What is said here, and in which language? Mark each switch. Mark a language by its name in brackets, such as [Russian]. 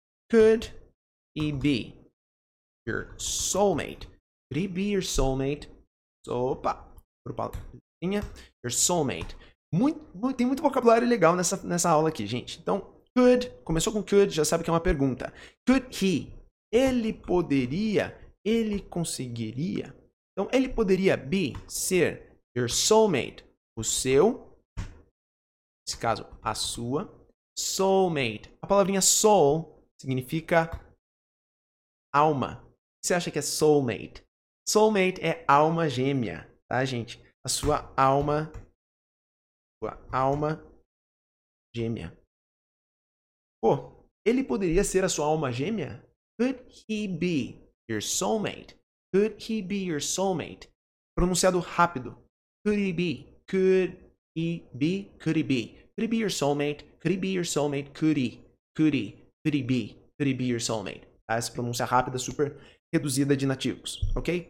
[English] Could he be your soulmate? Could he be your soulmate? [Portuguese] Opa! Grupalinha. Your soulmate. Tem muito vocabulário legal nessa aula aqui, gente. Então, could. Começou com could, já sabe que é uma pergunta. [English] Could he? [Portuguese] Ele poderia? Ele conseguiria? Então, ele poderia be, ser, [English] your soulmate. [Portuguese] O seu. Nesse caso, a sua. Soulmate. A palavrinha soul significa alma. O que você acha que é soulmate? Soulmate é alma gêmea, tá, gente? A sua alma. Sua alma gêmea. Pô, ele poderia ser a sua alma gêmea? [English] Could he be your soulmate? Could he be your soulmate? [Portuguese] Pronunciado rápido. [English] Could he be? Could he be? Could he be? Could he be your soulmate? Could he be your soulmate? Could he? Could he? Could he be? Could he be your soulmate? [Portuguese] Tá? Essa pronúncia rápida, super reduzida de nativos, ok?